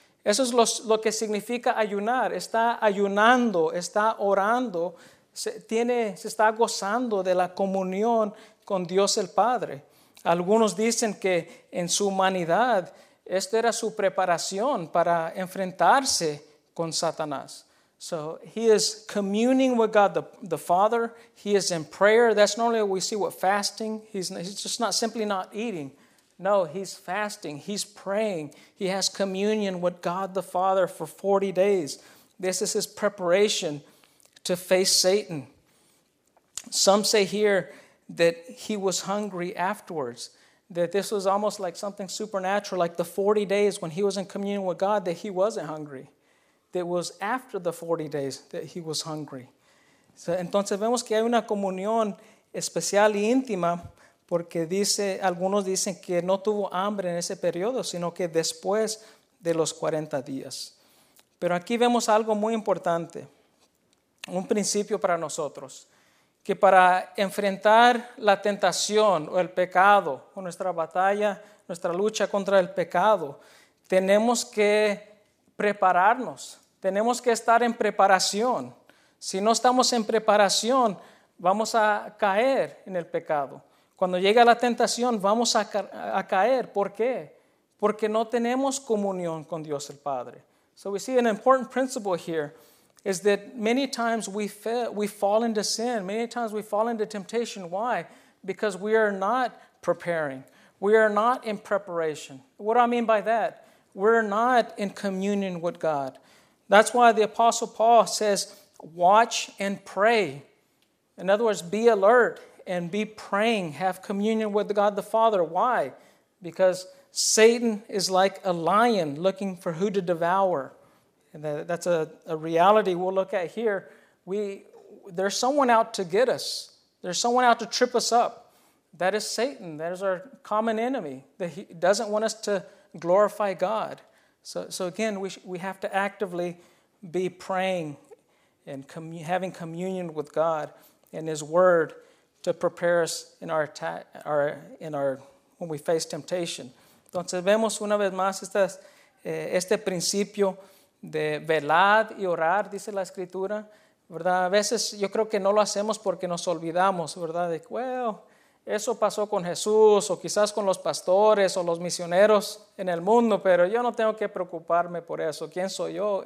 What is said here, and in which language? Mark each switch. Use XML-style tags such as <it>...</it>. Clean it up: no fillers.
<es>Eso es lo que significa ayunar. Está ayunando, está orando. Se está gozando de la comunión con Dios el Padre. Algunos dicen que en su humanidad, esta era su preparación para enfrentarse con Satanás.</es> <en>So he is communing with God the Father. He is in prayer. That's normally what we see with fasting. He's just not simply not eating. No, he's fasting. He's praying. He has communion with God the Father for 40 days. This is his preparation to face Satan. Some say here that he was hungry afterwards, that this was almost like something supernatural, like the 40 days when he was in communion with God, that he wasn't hungry. That was after the 40 days that he was hungry.</en> <es>So, entonces vemos que hay una comunión especial y íntima, porque dice, algunos dicen que no tuvo hambre en ese periodo, sino que después de los 40 días. Pero aquí vemos algo muy importante, un principio para nosotros, que para enfrentar la tentación o el pecado, o nuestra batalla, nuestra lucha contra el pecado, tenemos que prepararnos, tenemos que estar en preparación. Si no estamos en preparación, vamos a caer en el pecado. Cuando llega la tentación, vamos a caer. ¿Por qué? porque no tenemos comunión con Dios el Padre.</es> <en>So we see an important principle here is that many times we fall into sin. Many times we fall into temptation. Why? Because we are not preparing. We are not in preparation. What do I mean by that? We're not in communion with God. That's why the Apostle Paul says, watch and pray. In other words, be alert and be praying. Have communion with God the Father. Why? Because Satan is like a lion looking for who to devour. And that's a reality we'll look at here. There's someone out to get us. There's someone out to trip us up. That is Satan. That is our common enemy. That he doesn't want us to glorify God. So again, we have to actively be praying and having communion with God and His Word to prepare us in our attack, when we face temptation.</en> <es>Entonces vemos una vez más este principio de velar y orar, dice la Escritura, ¿verdad? A veces yo creo que no lo hacemos porque nos olvidamos, ¿verdad? De, well, eso pasó con Jesús o quizás con los pastores o los misioneros en el mundo, pero yo no tengo que preocuparme por eso. ¿Quién soy yo?</es>